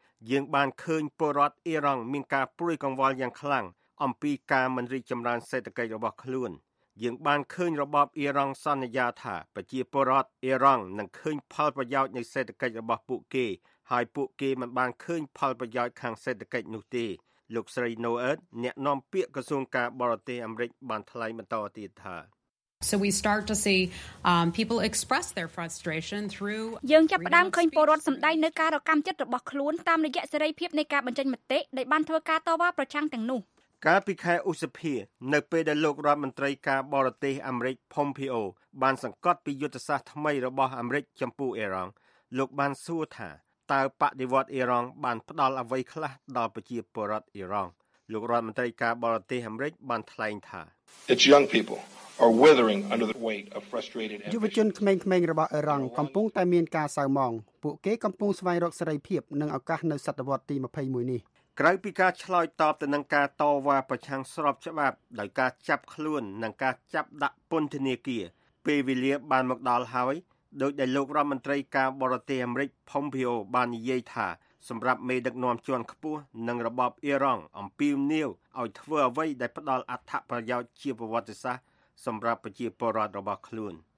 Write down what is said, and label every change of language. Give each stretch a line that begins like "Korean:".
Khmer: យើងបានឃើញពលរដ្ឋអ៊ីរ៉ង់មានការព្រួយកង្វល់យ៉ាងខ្លាំងអំពីការមិនរីកចម្រើនសេដ្ឋកិច្ចរបស់ខ្លួនយើងបានឃើញរបបអ៊ីរ៉ង់សន្យាថាប្រជាពលរដ្ឋអ៊ីរ៉ង់នឹងឃើញផលប្រយោជន៍នៃសេដ្ឋកិច្ចរបស់ពួកគេហើយពួកគេមិនបានឃើញផលប្រយោជន៍ខាងសេដ្ឋកិច្ចនោះទេលោកស្រី Noet អ្នកនាំពាក្យក្រសួងការបរទេសអាមេរិកបានថ្លែងបន្តទៀតថា
English: So we start to see people express their frustration through
Khmer: យើងចាប់ផ្ដើមឃើញពលរដ្ឋសម្ដែងនូវការរកម្មចិត្តរបស់ខ្លួនតាមរយៈសេរីភាពនៃការបញ្ចេញមតិដែលបានធ្វើការតវ៉ាប្រឆាំងទាំងនោះ កាលពីខែឧសភានៅពេលដែលលោករដ្ឋមន្ត្រីការបរទេសអាមេរិកផុំភីអូបានសង្កត់ពីយុទ្ធសាស្ត្រថ្មីរបស់អាមេរិកចំពោះអ៊ីរ៉ង់លោកបានសួរថាតើបដិវត្តអ៊ីរ៉ង់បានផ្ដល់អ្វីខ្លះដល់ប្រជាពលរដ្ឋអ៊ីរ៉ង់លោករដ្ឋមន្ត្រីការបរទេសអាមេរិកបានថ្លែងថា
English: It's young peopleare withering under the weight of frustrated
Khmer: យុវជនក្មេងៗរបស់អ៊ីរ៉ង់កំពុងតែមានការសៅហ្មងពួកគេកំពុងស្វែងរកសេរីភាពនិងឱកាសនៅសតវត្សរ៍ទី21នេះ ក្រៅពីការឆ្លើយតបទៅនឹងការតវ៉ាប្រឆាំងស្របច្បាប់ដោយការចាប់ខ្លួននិងការចាប់ដាក់ពន្ធនាគារពេលវេលាបានមកដល់ហើយដោយដែលលោករដ្ឋមន្ត្រីការបរទេសអាមេរិកផុំភីអូបាននិយាយថាសម្រាប់មេដឹកនាំជាន់ខ្ពស់និងរបបអ៊ីរ៉ង់អំពីនីវឲ្យធ្វើអ្វីដែលផ្ដល់អត្ថប្រយោជន៍ជាប្រវត្តិសាស្ត្រសម្រាប់ប្រជាពលរដ្ឋរបស់ខ្លួន